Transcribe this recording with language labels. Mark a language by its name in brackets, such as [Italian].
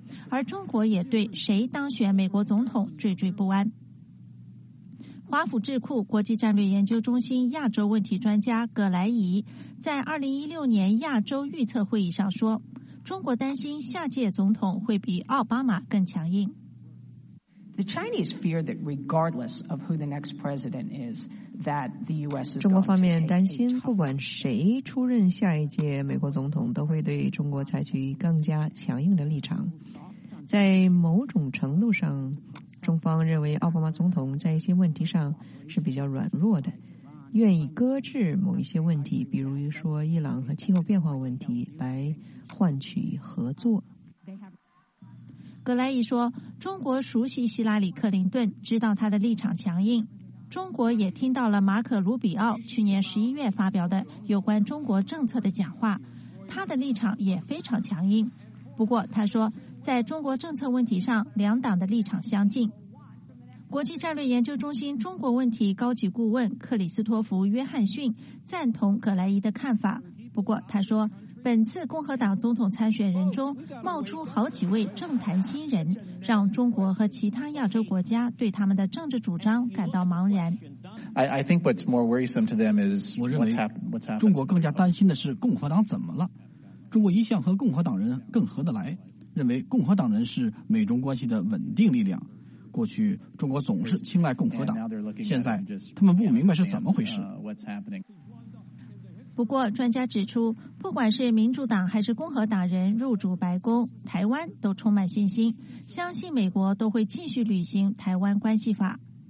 [Chinese] 而中国也对谁当选美国总统惴惴不安。华府智库国际战略研究中心亚洲问题专家葛莱仪在2016年亚洲预测会议上说，中国担心下届总统会比奥巴马更强硬。 [English] The Chinese fear that regardless of who the next president is, that the U.S. [Chinese] 中国方面担心，不管谁出任下一届美国总统，都会对中国采取更加强硬的立场。在某种程度上，中方认为奥巴马总统在一些问题上是比较软弱的，愿意搁置某一些问题，比如说伊朗和气候变化问题，来换取合作。格莱伊说，中国熟悉希拉里·克林顿，知道他的立场强硬。中国也听到了马可·卢比奥去年11月发表的有关中国政策的讲话，他的立场也非常强硬。不过他说，在中国政策问题上，两党的立场相近。国际战略研究中心中国问题高级顾问克里斯托弗·约翰逊赞同葛莱仪的看法，不过他说，本次共和党总统参选人中冒出好几位政坛新人，让中国和其他亚洲国家对他们的政治主张感到茫然。 [English] I think what's more worrisome to them is what's happened. [Chinese] 中国更加担心的是共和党怎么了？中国一向和共和党人更合得来，认为共和党人是美中关系的稳定力量。过去中国总是青睐共和党，现在他们不明白是怎么回事。不过专家指出，不管是民主党还是共和党人入主白宫，台湾都充满信心，相信美国都会继续履行台湾关系法。